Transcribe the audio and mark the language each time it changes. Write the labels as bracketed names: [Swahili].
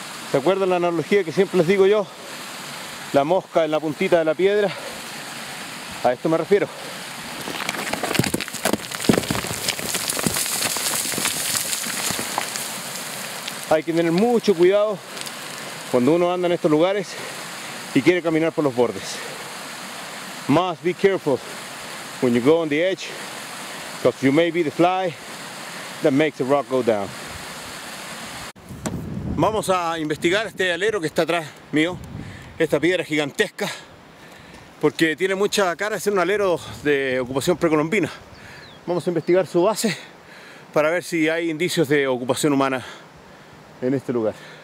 [Spanish] ¿Se acuerdan la analogía que siempre les digo yo? La mosca en la puntita de la piedra, a esto me refiero. Hay que tener mucho cuidado cuando uno anda en estos lugares y quiere caminar por los bordes. [English] Must be careful when you go on the edge, because you may be the fly that makes the rock go down. [Spanish] Vamos a investigar este alero que está atrás mío. Esta piedra gigantesca, porque tiene mucha cara de ser un alero de ocupación precolombina. Vamos a investigar su base para ver si hay indicios de ocupación humana en este lugar.